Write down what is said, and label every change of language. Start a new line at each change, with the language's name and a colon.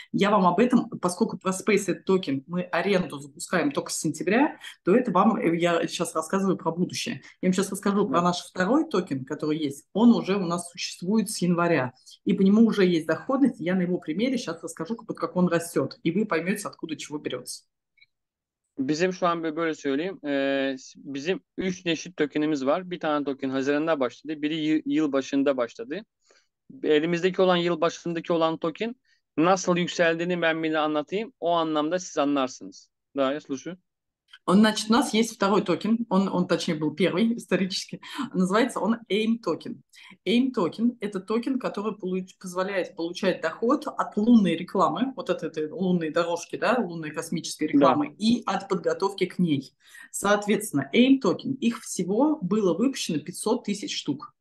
Russian: Я вам об этом, поскольку про Space этот токен мы аренду запускаем только с сентября, то это вам я сейчас рассказываю про будущее. Я вам сейчас расскажу про наш второй токен, который есть. Он уже у нас существует с января. И по нему уже есть доходы. Я на его примере сейчас расскажу, как он растет, и вы поймете, откуда чего берется.
Turkish: Bizim şu an böyle söyleyeyim. Bizim 3 çeşit tokenimiz var. Bir tane token Haziran'da başladı. Biri yıl başında başladı. Elimizdeki olan yıl başındaki olan token nasıl yükseldiğini ben bir anlatayım. O anlamda siz anlarsınız. Daha iyi
Russian: слушаю. Он, значит, у нас есть второй токен, он точнее был первый исторически, называется он AIM токен. AIM токен – это токен, который позволяет получать доход от лунной рекламы, вот от этой лунной дорожки, да, лунной космической Да. рекламы, и от подготовки к ней. Соответственно, AIM токен, их всего было выпущено 500 тысяч штук.